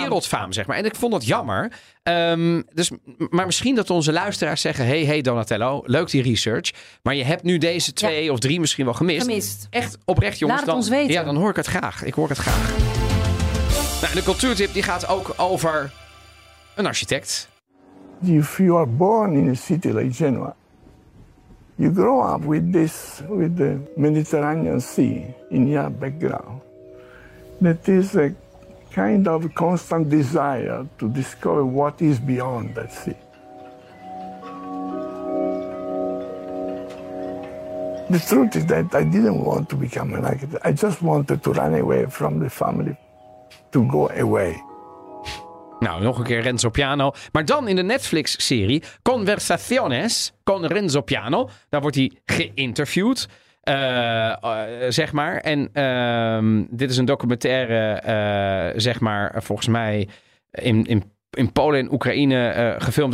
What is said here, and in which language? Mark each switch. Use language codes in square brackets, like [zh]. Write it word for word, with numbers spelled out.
[nl] Wereldfaam, zeg maar. En ik vond dat jammer. Um, dus, maar misschien dat onze luisteraars zeggen... hey, hey Donatello, leuk die research. Maar je hebt nu deze twee ja. of drie misschien wel gemist. Gemist. Echt oprecht, jongens. Laat het dan, ons weten. Ja, dan hoor ik het graag. Ik hoor het graag. Nou, de cultuurtip die gaat ook over een architect. [en] If you are born in a city like Genoa... you grow up with this, with the Mediterranean Sea in your background. That is a kind of constant desire to discover what is beyond that sea. The truth is that I didn't want to become an architect. I just wanted to run away from the family, to go away. [nl] Nou, nog een keer Renzo Piano. Maar dan in de Netflix-serie Conversaciones con Renzo Piano. Daar wordt hij geïnterviewd. Uh, uh, zeg maar. En uh, dit is een documentaire, uh, zeg maar, uh, volgens mij in, in, in Polen en Oekraïne uh, gefilmd.